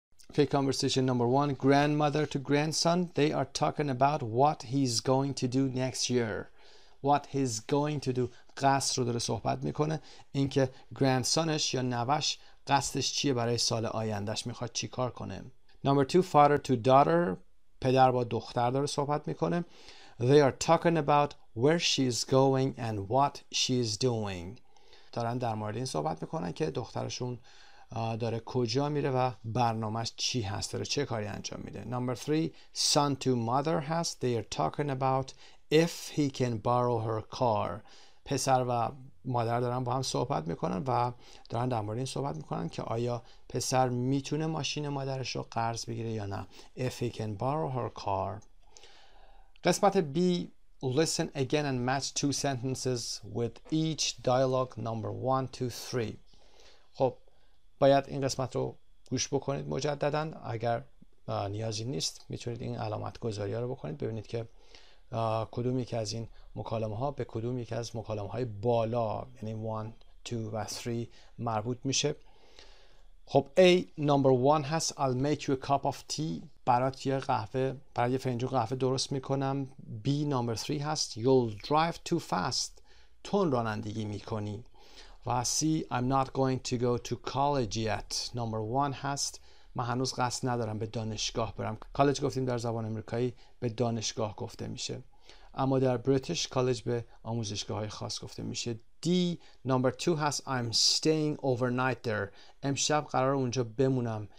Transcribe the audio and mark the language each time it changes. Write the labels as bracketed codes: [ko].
[en] Okay, conversation number one, grandmother to grandson. They are talking about what he's going to do next year. What he's going to do. [fa] قصد رو داره صحبت میکنه. اینکه grandsonش یا نوش قصدش چیه برای سال آیندهش میخواد چی کار کنه. [en] Number two, father to daughter. [fa] پدر با دختر داره صحبت میکنه. [en] They are talking about where she's going and what she's doing. [fa] دارن در مورد این صحبت میکنن که دخترشون داره کجا میره و برنامهش چی هست، داره چه کاری انجام میده. [en] Number three, son to mother [fa] هست. [en] They are talking about if he can borrow her car. [fa] پسر و مادر دارن با هم صحبت میکنن و دارن در مورد این صحبت میکنن که آیا پسر میتونه ماشین مادرش رو قرض بگیره یا نه. [en] If he can borrow her car. [fa] قسمت [en] B, listen again and match two sentences with each dialogue number 1, 2, 3. [fa] خب باید این قسمت رو گوش بکنید مجدداً. اگر نیازی نیست میتونید این علامت گذاری ها رو بکنید، ببینید که کدوم یکی از این مکالمه ها به کدوم یکی از مکالمه های بالا، یعنی 1, 2 و 3 مربوط میشه. خب [en] A number 1 [fa] هست. [en] I'll make you a cup of tea. [fa] برات یه قهوه، برای یه فنجون قهوه درست میکنم. [en] B number 3 [fa] هست. [en] You'll drive too fast. [fa] تون رانندگی میکنی. [en] و C, I'm not going to go to college yet. Number 1 [fa] هست. من هنوز قصد ندارم به دانشگاه برم. کالج گفتیم در زبان آمریکایی به دانشگاه گفته میشه، اما در بریتیش کالج به آموزشگاه های خاص گفته میشه. [en] D, number 2 [fa] هست. [en] I'm staying overnight there. [fa] امشب قرار اونجا بمونم.